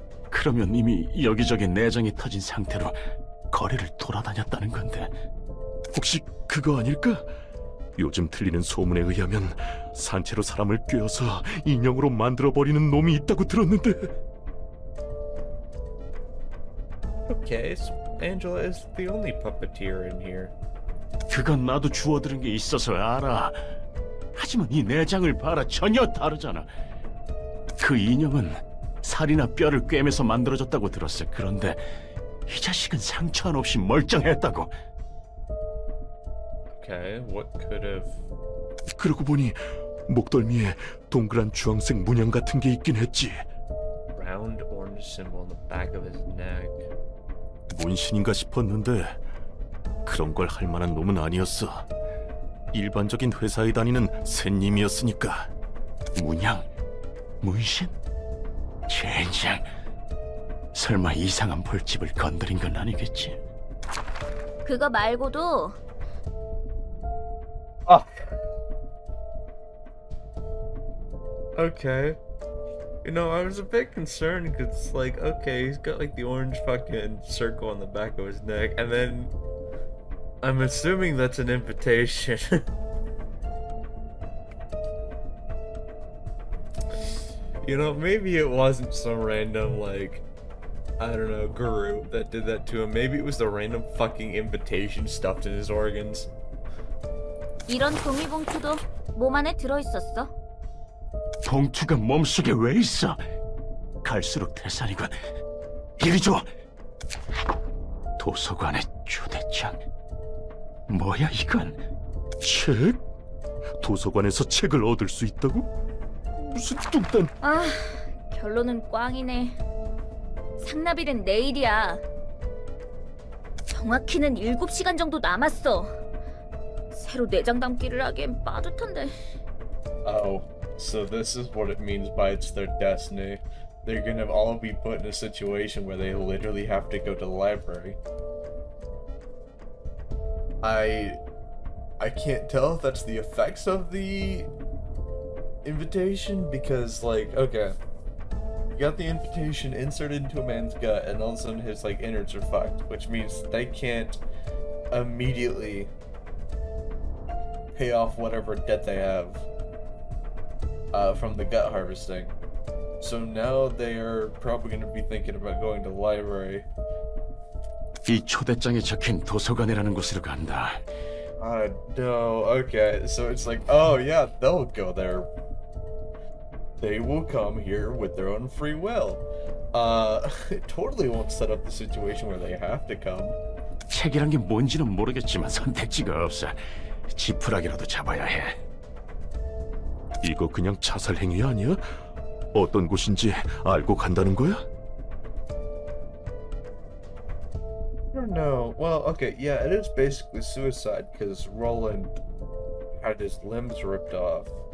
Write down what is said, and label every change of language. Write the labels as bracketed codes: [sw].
[ko] 그러면 이미 여기저기 내장이 터진 상태로 거리를 돌아다녔다는 건데. 혹시 그거 아닐까? 요즘 들리는 소문에 의하면 산채로 사람을 꿰어서 인형으로 만들어버리는 놈이 있다고 들었는데. [en] Okay, so Angela is the only puppeteer in here. [ko] 그건 나도 주워들은 게 있어서 알아. 하지만 이 내장을 봐라, 전혀 다르잖아. 그 인형은 살이나 뼈를 꿰매서 만들어졌다고 들었어. 그런데 이 자식은 상처 안 없이 멀쩡했다고. [en] Okay, what could have? [ko] 그러고 보니 목덜미에 동그란 주황색 문양 같은 게 있긴 했지. [en] Round orange symbol on the back of his neck. [ko] 문신인가 싶었는데 그런 걸 할 만한 놈은 아니었어. 일반적인 회사에 다니는 샌님이었으니까. 문양? 문신? 젠장. 설마 이상한 벌집을 건드린 건 아니겠지? 그거 말고도. 아. [en] Okay. You know, I was a bit concerned because it's like, okay, he's got like the orange fucking circle on the back of his neck, and then I'm assuming that's an invitation. You know, maybe it wasn't some random, like, I don't know, guru that did that to him. Maybe it was the random fucking invitation stuffed in his organs. [ko] 이런 종이 봉투도 몸 안에 들어있었어? 봉투가 몸속에 왜 있어? 갈수록 태산이군. 이리 줘! 도서관의 초대장. 뭐야 이건? 책? 도서관에서 책을 얻을 수 있다고? 무슨 뚱딴... 아, 결론은 꽝이네. 상나비는 내일이야. 정확히는 7시간 정도 남았어. 새로 내장 담기를 하기엔 빠듯한데. [en] Oh, so this is what it means by it's their destiny. They're gonna all be put in a situation where they literally have to go to the library. I can't tell if that's the effects of the invitation, because, like, okay. You got the invitation inserted into a man's gut, and all of a sudden his, like, innards are fucked, which means they can't immediately pay off whatever debt they have from the gut harvesting. So now they are probably going to be thinking about going to the library. [ko] 이 초대장에 적힌 도서관이라는 곳으로 간다. [en] No, okay. So it's like, oh yeah, they'll go there. They will come here with their own free will. It totally won't set up the situation where they have to come. [ko] 책이란 게 뭔지는 모르겠지만 선택지가 없어. 지푸라기라도 잡아야 해. 이거 그냥 자살 행위 아니야? 어떤 곳인지 알고 간다는 거야? [en] I don't know. Well, okay, yeah, it is basically suicide because Roland had his limbs ripped off.